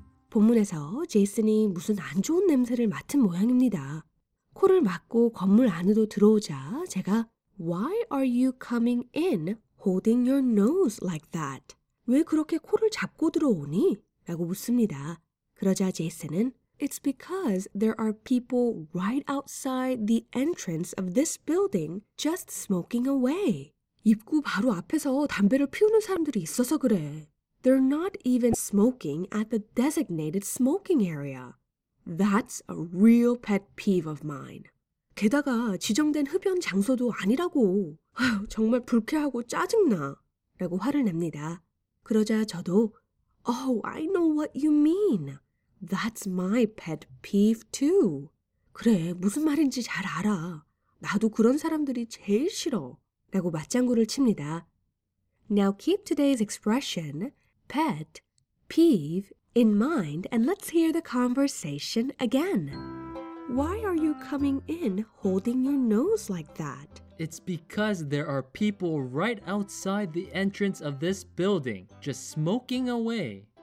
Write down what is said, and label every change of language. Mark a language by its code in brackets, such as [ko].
[ko] 본문에서 제이슨이 무슨 안 좋은 냄새를 맡은 모양입니다. 코를 막고 건물 안으로 들어오자 제가 [en] Why are you coming in holding your nose like that? [ko] 왜 그렇게 코를 잡고 들어오니? 라고 묻습니다. 그러자 제이슨은 [en] It's because there are people right outside the entrance of this building just smoking away. [ko] 입구 바로 앞에서 담배를 피우는 사람들이 있어서 그래. [en] They're not even smoking at the designated smoking area. That's a real pet peeve of mine. [ko] 게다가 지정된 흡연 장소도 아니라고. 아휴, 정말 불쾌하고 짜증나. 라고 화를 냅니다. 그러자 저도 [en] Oh, I know what you mean. That's my pet peeve too. [ko] 그래, 무슨 말인지 잘 알아. 나도 그런 사람들이 제일 싫어. 라고 맞장구를 칩니다. [en] Now keep today's expression, pet peeve, in mind, and let's hear the conversation again. Why are you coming in holding your nose like that? It's because there are people right outside the entrance of this building, just smoking away.